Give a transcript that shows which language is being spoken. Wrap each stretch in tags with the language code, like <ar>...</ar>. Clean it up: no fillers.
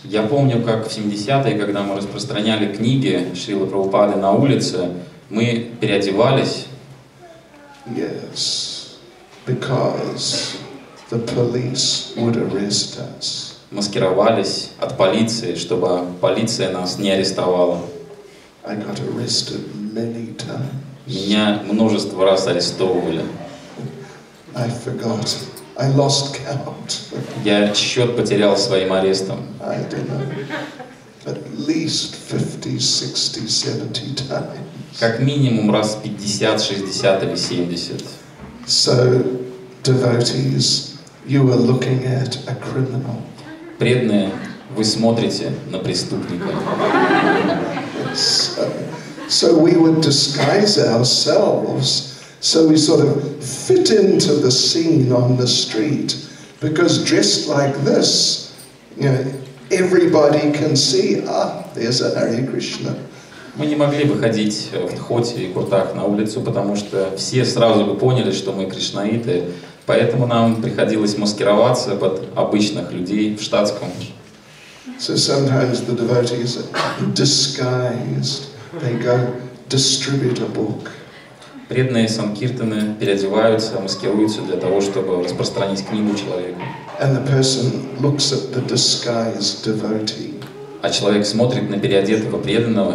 <ru>Я помню, как в 70-е, когда мы распространяли книги Шрилы Прабхупады на улице, мы переодевались.</ru> <en>Yes, because the police would arrest us.</en> <ru>Маскировались от полиции, чтобы полиция нас не арестовала.</ru> <en>I got arrested many times.</en> <ru>Меня множество раз арестовывали.</ru> <en>I forgot. I lost count.</en> <ru>Я счет потерял своим арестом.</ru> <en>I don't know. At least 50, 60, 70 times.</en> <ru>Как минимум раз 50, 60 или 70.</ru> <en>So, devotees, you are looking at a criminal.</en> <ru>Преданные, вы смотрите на преступника.</ru> <en>So we would disguise ourselves. So we sort of fit into the scene on the street, because dressed like this, you know, everybody can see, there's a Hare Krishna.</en> <ru>Мы не могли бы ходить в дхоти и куртах на улицу, потому что все сразу бы поняли, что мы кришнаиты, поэтому нам приходилось маскироваться под обычных людей в штатском.</ru> <en>So sometimes the devotees are disguised. They go distribute a book.</en> <ru>Преданные санкиртаны переодеваются, маскируются для того, чтобы распространить книгу человеку.</ru> <en>And the person looks at the disguised devotee.</en> <ru>А человек смотрит на переодетого преданного.</ru>